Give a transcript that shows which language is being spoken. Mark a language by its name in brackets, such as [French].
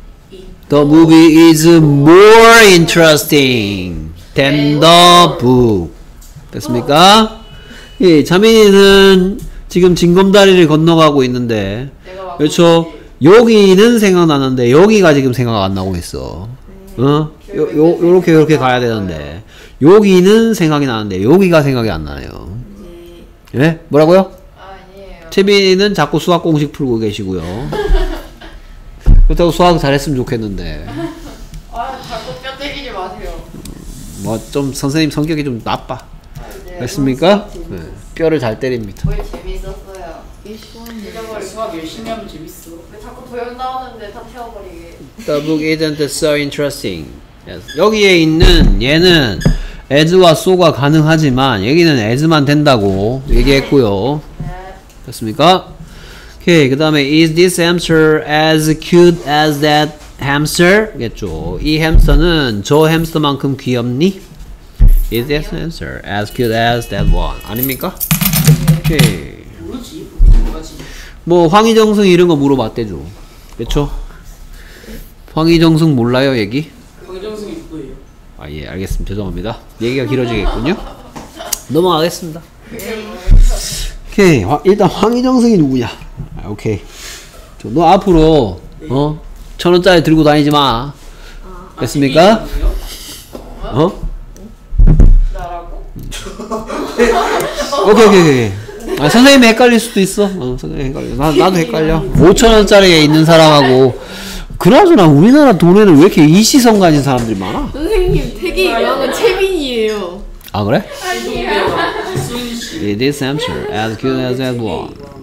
[English] the movie is more interesting than the book. [Korean] 됐습니까? 예, 자민이는 지금 진검다리를 건너가고 있는데 그렇죠? 여기는 생각나는데 여기가 지금 생각 안 나고 있어. 어? 요렇게 요렇게 가야 되는데 여기는 생각이 나는데 여기가 생각이 안 나네요. 예? 네? 뭐라고요? 아니에요. 채빈이는 자꾸 수학 공식 풀고 계시고요. 그렇다고 수학 잘했으면 좋겠는데 아 자꾸 뼈때리지 마세요. 뭐 좀 선생님 성격이 좀 나빠. 됐습니까? 네, 뼈를 잘 때립니다. 왜 재밌었어요? 수학 열심히 하면 재밌어. 왜 자꾸 도형 나오는데 다 태워버리게. [English] The book isn't so interesting. Yes. [Korean] 여기에 있는 얘는 as와 so가 가능하지만 여기는 as만 된다고 얘기했고요. 됐습니까? 오케이 그 다음에 [English] Is this hamster as cute as that hamster? [Korean] 겠죠. 이 햄스터는 저 햄스터만큼 귀엽니? [English] Is this answer as cute as that one? [Korean] 아닙니까? 오케이. 뭐 황희정승 이런 거 물어봤대죠. 그렇죠? 황희정승 몰라요 얘기? 황희정승 있고요. 아 예 알겠습니다. 죄송합니다. 얘기가 길어지겠군요. 넘어가겠습니다. 오케이 일단 황희정승이 누구냐? 아, 오케이. 저, 너 앞으로 어 1,000원짜리 들고 다니지 마. 됐습니까? 어? 오케이. 아, 선생님이 헷갈릴 수도 있어. 어, 선생님이 헷갈려. 나도 헷갈려. 5,000원짜리에 있는 사람하고. 그나저나 우리나라 돈에는 왜 이렇게 이시성 가진 사람들이 많아? 선생님, 되게 유명한 채빈이에요. 아, 그래? 아니에요. [English] It is answer as good as that one.